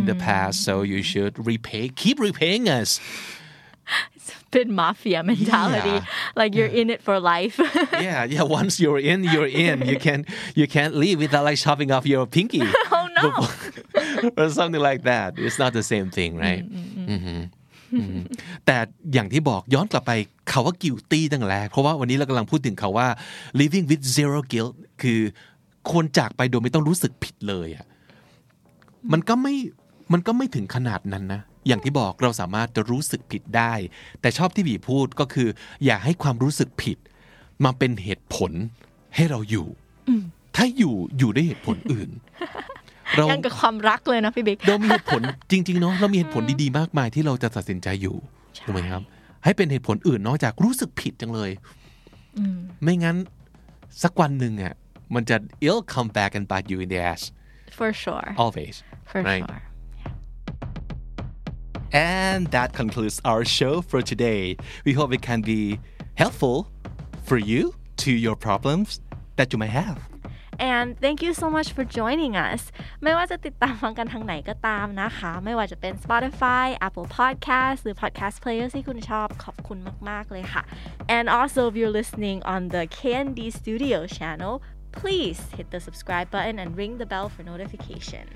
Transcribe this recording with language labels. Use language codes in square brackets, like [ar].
[en] in the past so you should keep repaying us it's a bit mafia mentality yeah. like you're yeah. in it for life yeah once you're in you can't leave without like chopping off your pinky oh no or something like that it's not the same thing right mm-hmm. Mm-hmm. [th] แต่อย่างที่บอกย้อนกลับไปเขาว่ากิลตี้ตั้งแต่เพราะว่าวันนี้เรากำลังพูดถึงเขาว่า [en] living with zero guilt [th] คือควรจากไปโดยไม่ต้องรู้สึกผิดเลยอ่ะมันก็ไม่ถึงขนาดนั้นนะอย่างที่บอกเราสามารถจะรู้สึกผิดได้แต่ชอบที่บีพูดก็คืออย่าให้ความรู้สึกผิดมาเป็นเหตุผลให้เราอยู่ ถ้าอยู่ด้วยเหตุผลอื่น ยังกับความรักเลยนะพี่บิ๊ก เรามีเหตุผลจริงๆเนาะเรามีเหตุผลดีๆมากมายที่เราจะตัดสินใจอยู่ ถูกไหมครับให้เป็นเหตุผลอื่นนอกจากรู้สึกผิดจังเลยไม่งั้นสักวันหนึ่งอ่ะมันจะ [en] it'll come back and bite you in the ass for sure always for sure and that concludes our show for today we hope it can be helpful for you to your problems that you might have And thank you so much for joining us. [th] ไม่ว่าจะติดตามฟังกันทางไหนก็ตามนะคะไม่ว่าจะเป็น Spotify, Apple Podcasts หรือ Podcast Players ที่คุณชอบขอบคุณมากๆเลยค่ะ [en] And also if you're listening on the KND Studio channel, please hit the subscribe button and ring the bell for notification.